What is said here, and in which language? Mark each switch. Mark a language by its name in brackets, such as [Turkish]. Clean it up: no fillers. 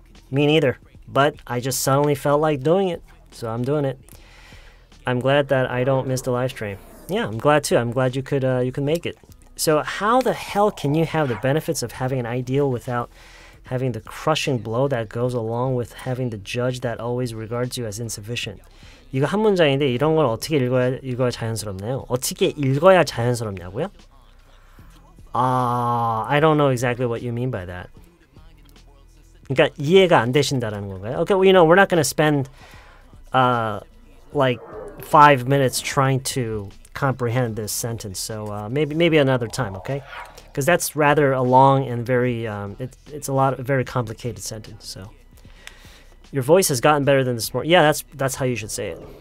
[English] Me neither. But I just suddenly felt like doing it. So I'm doing it. I'm glad that I don't miss the live stream. Yeah, I'm glad too. I'm glad you could make it. So how the hell can you have the benefits of having an ideal without having the crushing blow that goes along with having the judge that always regards you as insufficient? [Korean] 이거 한 문장인데 이런 걸 어떻게 읽어야 자연스럽나요? 어떻게 읽어야 자연스럽냐고요? [English] I don't know exactly what you mean by that. [Korean] 그러니까 이해가 안 되신다라는 건가요? [English] Okay, well, you know, we're not going to spend like 5 minutes trying to comprehend this sentence, so maybe another time, okay? Because that's rather a long and very it's a lot of a very complicated sentence. So your voice has gotten better than this morning. Yeah, that's how you should say it.